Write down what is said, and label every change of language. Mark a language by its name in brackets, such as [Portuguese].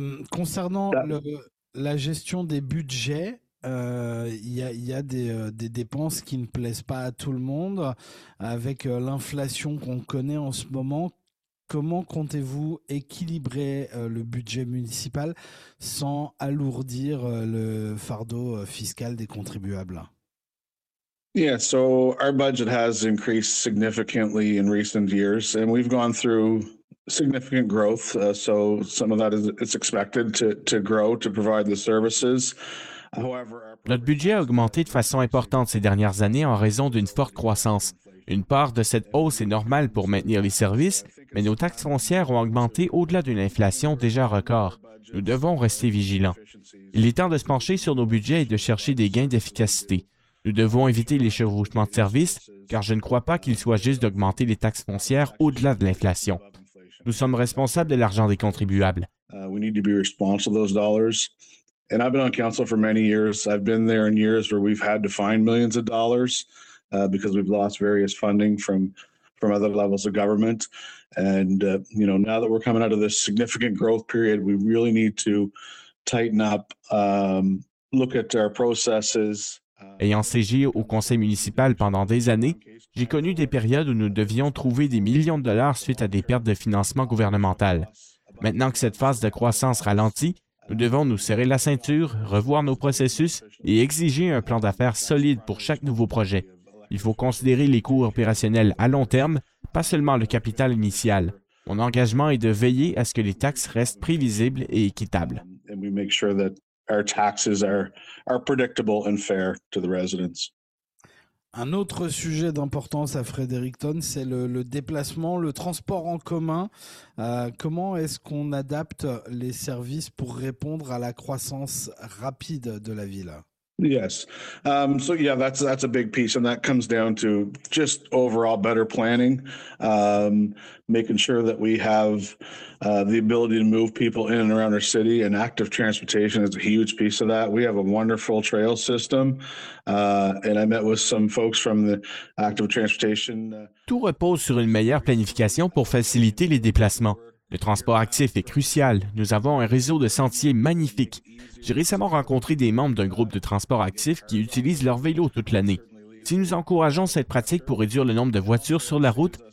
[French] Concernant la gestion des budgets, il y a des dépenses qui ne plaisent pas à tout le monde. Avec l'inflation qu'on connaît en ce moment, comment comptez-vous équilibrer le budget municipal sans alourdir le fardeau fiscal des contribuables? [English] Yeah, so our budget has increased significantly in recent years, and we've gone through significant growth. So some of that is it's expected to grow to provide the services. However, our [French] Notre budget a augmenté de façon importante ces dernières années en raison d'une forte croissance. Une part de cette hausse est normale pour maintenir les services, mais nos taxes foncières ont augmenté au-delà d'une inflation déjà record. Nous devons rester vigilants. Il est temps de se pencher sur nos budgets et de chercher des gains d'efficacité. Nous devons éviter l'échevauchement de services, car je ne crois pas qu'il soit juste d'augmenter les taxes foncières au-delà de l'inflation. Nous sommes responsables de l'argent des contribuables. [English] We need to be responsible of those dollars. And I've been on council for many years. I've been there in years where we've had to find millions of dollars because we've lost various funding from other levels of government. And now that we're coming out of this significant growth period, we really need to tighten up, look at our processes. [French] Ayant siégé au conseil municipal pendant des années, j'ai connu des périodes où nous devions trouver des millions de dollars suite à des pertes de financement gouvernemental. Maintenant que cette phase de croissance ralentit, nous devons nous serrer la ceinture, revoir nos processus et exiger un plan d'affaires solide pour chaque nouveau projet. Il faut considérer les coûts opérationnels à long terme, pas seulement le capital initial. Mon engagement est de veiller à ce que les taxes restent prévisibles et équitables. [English] Our taxes are predictable and fair to the residents. [French] Un autre sujet d'importance à Fredericton, c'est le déplacement, le transport en commun. Comment est-ce qu'on adapte les services pour répondre à la croissance rapide de la ville? [English] Yes. So yeah, that's a big piece, and that comes down to just overall better planning, making sure that we have the ability to move people in and around our city, and active transportation is a huge piece of that. We have a wonderful trail system, and I met with some folks from the active transportation. [French] Tout repose sur une meilleure planification pour faciliter les déplacements. Le transport actif est crucial. Nous avons un réseau de sentiers magnifique. J'ai récemment rencontré des membres d'un groupe de transport actif qui utilisent leur vélo toute l'année. Si nous encourageons cette pratique pour réduire le nombre de voitures sur la route,